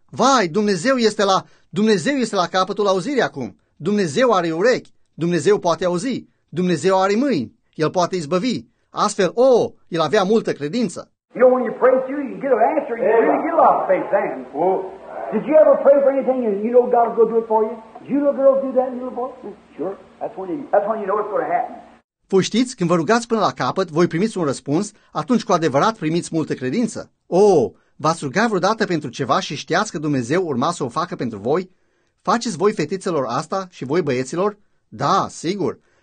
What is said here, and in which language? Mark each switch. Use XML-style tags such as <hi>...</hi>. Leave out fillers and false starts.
<ro>Vai, Dumnezeu este la capătul auzirii acum. Dumnezeu are urechi. Dumnezeu poate auzi. Dumnezeu are mâini. El poate izbăvi. Astfel, oh, el avea multă credință.</ro> <en>You know, when you pray to you, you get an answer. You really get a lot of faith then. Well, did you ever pray for anything and you know God will go do it for you? Did you little girls do that, little boys? Sure. That's when you know it's going to happen.</en> <ro>Voi știți, când vă rugați până la capăt, voi primiți un răspuns, atunci cu adevărat primiți multă credință. Oh, v-ați rugat vreodată pentru ceva și știați că Dumnezeu urma să o facă pentru voi? Faceți voi fetițelor asta și voi băieților? Da, sigur.</ro>